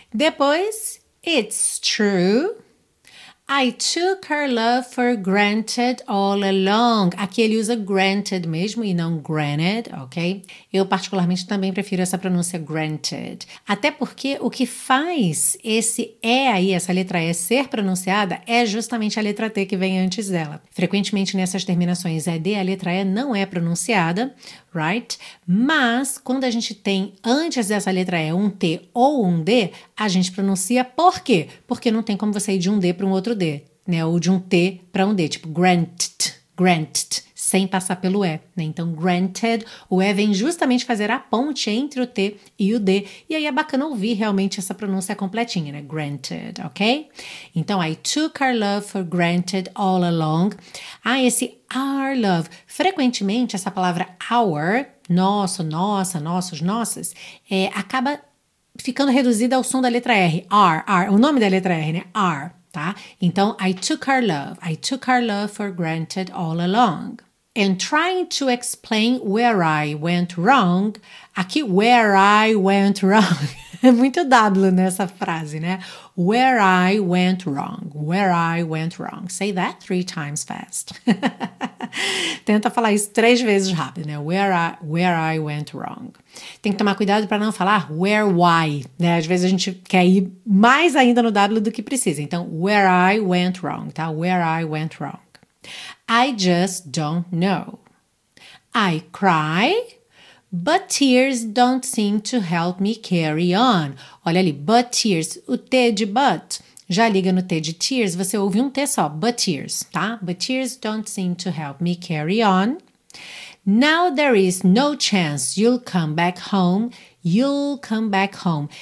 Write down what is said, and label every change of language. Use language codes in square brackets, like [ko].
[pt] Depois, [en] it's true, I took her love for granted all along. [pt] Aqui ele usa granted mesmo e não granted, ok? Eu particularmente também prefiro essa pronúncia granted. Até porque o que faz esse E aí, essa letra E ser pronunciada, é justamente a letra T que vem antes dela. Frequentemente nessas terminações ED, a letra E não é pronunciada, [en] right? [pt] Mas quando a gente tem antes dessa letra E um T ou um D, a gente pronuncia por quê? Porque não tem como você ir de um D para um outro D, né? Ou de um T para um D, tipo granted, granted, sem passar pelo E, né? Então, granted, o E vem justamente fazer a ponte entre o T e o D. E aí é bacana ouvir realmente essa pronúncia completinha, né? [en] Granted, ok? [pt] Então, [en] I took our love for granted all along. [pt] Ah, esse our love. Frequentemente, essa palavra our, nosso, nossa, nossos, nossas, acaba ficando reduzida ao som da letra R. R, o nome da letra R, né? R. Tá? Então, [en] I took our love for granted all along. And trying to explain where I went wrong, [pt] aqui, [en] where I went wrong, [pt] é muito W nessa frase, né? [en] Where I went wrong, where I went wrong. Say that 3 times fast. [pt] Tenta falar isso 3 vezes rápido, né? [en] Where I went wrong. [pt] Tem que tomar cuidado para não falar where, why, né? Às vezes a gente quer ir mais ainda no W do que precisa. Então, [en] where I went wrong, [pt] tá? [en] Where I went wrong. I just don't know. I cry, but tears don't seem to help me carry on. [pt] Olha ali, [en] but tears, [pt] o T de but, já liga no T de tears, você ouve um T só, but tears, tá? [en] But tears don't seem to help me carry on. Now there is no chance you'll come back home, you'll come back home.